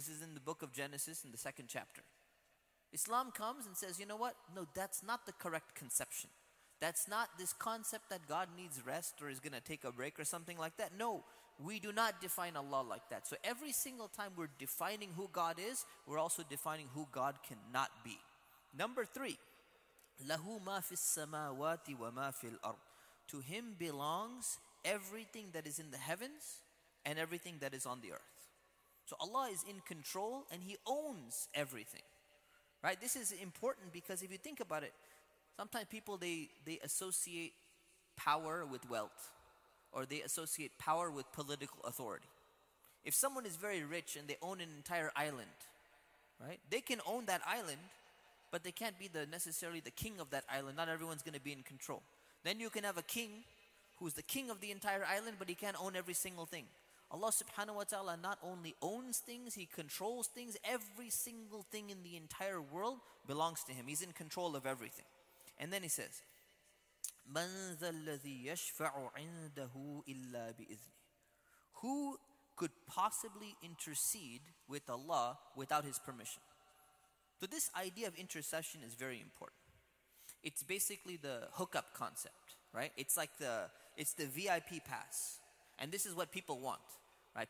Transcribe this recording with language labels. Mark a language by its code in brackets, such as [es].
[en] This is in the book of Genesis in the second chapter. Islam comes and says, you know what? No, that's not the correct conception. That's not this concept that God needs rest or is going to take a break or something like that. No, we do not define Allah like that. So every single time we're defining who God is, we're also defining who God cannot be. Number three, [ar] لَهُ مَا فِي السَّمَاوَاتِ وَمَا فِي الْأَرْضِ. [en] To Him belongs everything that is in the heavens and everything that is on the earth. So Allah is in control and He owns everything. Right? This is important because if you think about it, sometimes people, they associate power with wealth, or they associate power with political authority. If someone is very rich and they own an entire island, right? They can own that island, but they can't be necessarily the king of that island. Not everyone's going to be in control. Then you can have a king who's the king of the entire island, but he can't own every single thing. Allah subhanahu wa ta'ala not only owns things, He controls things. Every single thing in the entire world belongs to Him. He's in control of everything. And then He says, [ar] مَنْ ذَا الَّذِي يَشْفَعُ عِنْدَهُ إِلَّا بِإِذْنِهِ. [en] Who could possibly intercede with Allah without His permission? So this idea of intercession is very important. It's basically the hookup concept, right? It's like the VIP pass. And this is what people want, right?